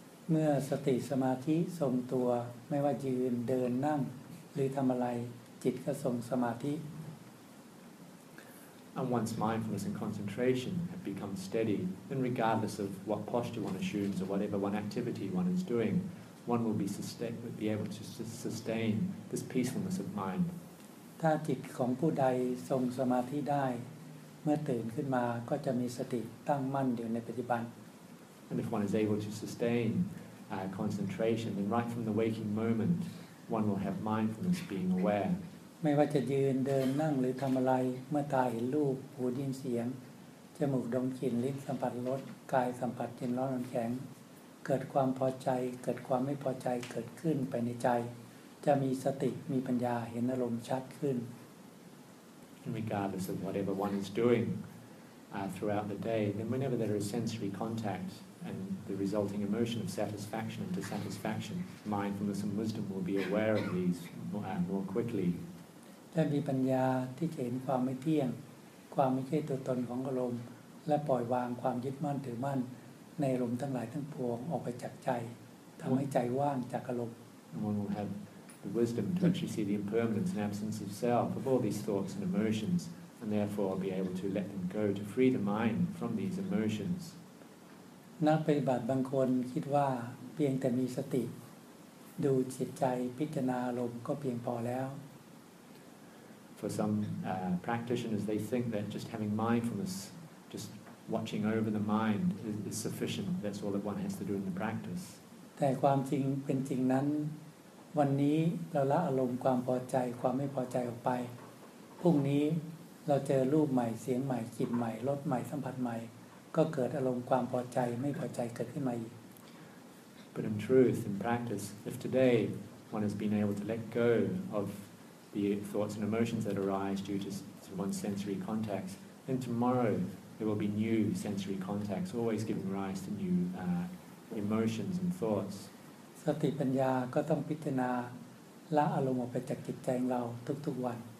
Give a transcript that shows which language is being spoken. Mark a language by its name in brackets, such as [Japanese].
[Thai] เมื่อสติสมาธิทรงตัวไม่ว่ายืนเดินนั่งหรือทำอะไรจิตก็ทรงสมาธิ [English] And once mindfulness and concentration have become steady, then regardless of what posture one assumes or whatever one activity one is doing, one will be able to sustain this peacefulness of mind. [Thai] ถ้าจิตของผู้ใดทรงสมาธิได้เมื่อตื่นขึ้นมาก็จะมีสติตั้งมั่นอยู่ในปัจจุบัน [English] And if one is able to sustain concentration, then right from the waking moment, one will have mindfulness, being aware. [Thai] ไม่ว่าจะยืนเดินนั่งหรือทำอะไรเมื่อตาเห็นรูปหูได้ยินเสียงจมูกดมกลิ่นลิ้นสัมผัสรสกายสัมผัสเย็นร้อนน้ำแข็งเกิดความพอใจเกิดความไม่พอใจเกิดขึ้นไปในใจจะมีสติมีปัญญาเห็นอารมณ์ชัดขึ้น [English] Regardless of whatever one is doing throughout the day, then whenever there is sensory contact and the resulting emotion of satisfaction and dissatisfaction, mindfulness and wisdom will be aware of these more quickly [Thai] ได้มีปัญญาที่เห็นความไม่เที่ยงความไม่ใช่ตัวตนของอารมณ์และปล่อยวางความยึดมั่นถือมั่นในอารมณ์ทั้งหลายทั้งปวงออกไปจากใจทำให้ใจว่างจากอารมณ์ [English] One will have the wisdom to actually see the impermanence and absence of self of all these thoughts and emotions and therefore be able to let them go to free the mind from these emotions [Thai] นักปฏิบัติบางคนคิดว่าเพียงแต่มีสติดูจิตใจพิจารณาอารมณ์ก็เพียงพอแล้ว [English] For some practitioners, they think that just having mindfulness, just watching over the mind, is sufficient. That's all that one has to do in the practice. [Thai] แต่ความจริงเป็นจริงนั้นวันนี้เราละอารมณ์ความพอใจความไม่พอใจออกไปพรุ่งนี้เราเจอรูปใหม่เสียงใหม่กลิ่นใหม่รสใหม่สัมผัสใหม่ก็เกิดอารมณ์ความพอใจไม่พอใจเกิดขึ้นมาอีก [English] But in truth, in practice, if today one has been able to let go ofthe thoughts and emotions that arise due to one's sensory contacts, then tomorrow there will be new sensory contacts, always giving rise to new emotions and thoughts. [Thai] สติปัญญาก็ต้องพิจารณาละอารมณ์ออกไปจากจิตใจของเราทุกๆวัน